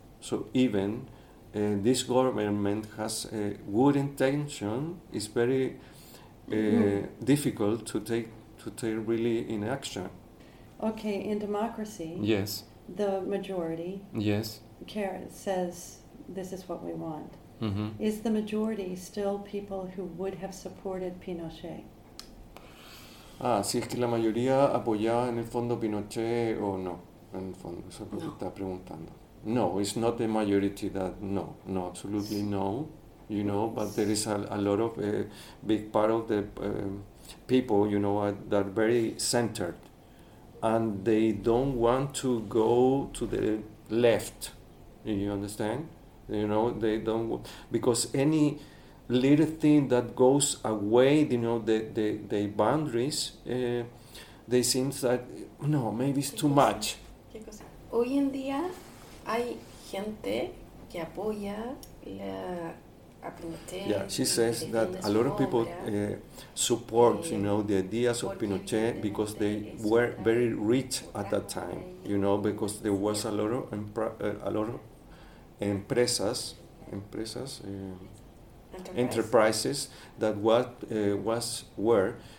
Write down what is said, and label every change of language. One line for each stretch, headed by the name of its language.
English: So even this government has a good intention, it's very difficult to take really in action. Okay, in democracy, yes, the majority, yes, says this is what we want. Mm-hmm. Is the majority still people who would have supported Pinochet?
Spanish: Ah, si es que la mayoría apoyaba en el fondo Pinochet o no, en el fondo, eso es lo que está preguntando.
English: No, it's not the majority that no, absolutely no, you know, but there is a lot of a big part of the people, you know, that are very centered, and they don't want to go to the left, you understand? You know, they don't, because any little thing that goes away, you know, the boundaries, they seem that, no, maybe it's too much.
Spanish: Hoy en día hay gente que apoya la...
English: Yeah, she says that a lot of people support, you know, the ideas of Pinochet because they were very rich at that time, you know, because there was a lot of enterprises that were